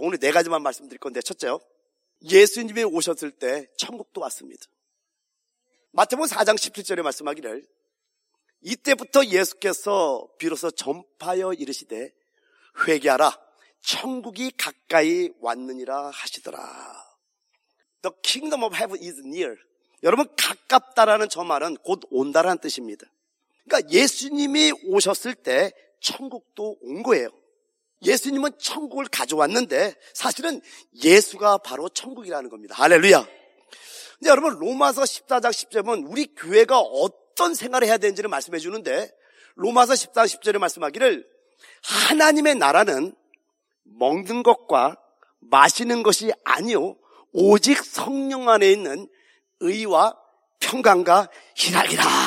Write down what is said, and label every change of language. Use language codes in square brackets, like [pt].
[ko] 오늘 네 가지만 말씀드릴 건데 첫째요. 예수님이 오셨을 때 천국도 왔습니다. 마태복음 4장 17절에 말씀하기를 이때부터 예수께서 비로소 전파여 이르시되 회개하라 천국이 가까이 왔느니라 하시더라. [en] The kingdom of heaven is near. [ko] 여러분, 가깝다라는 저 말은 곧 온다라는 뜻입니다. 그러니까 예수님이 오셨을 때 천국도 온 거예요. 예수님은 천국을 가져왔는데 사실은 예수가 바로 천국이라는 겁니다. 할렐루야. 근데 여러분, 로마서 14장 10절은 우리 교회가 어떤 생활을 해야 되는지를 말씀해 주는데 로마서 14장 10절에 말씀하기를 하나님의 나라는 먹는 것과 마시는 것이 아니오 오직 성령 안에 있는 의와 평강과 희락이라.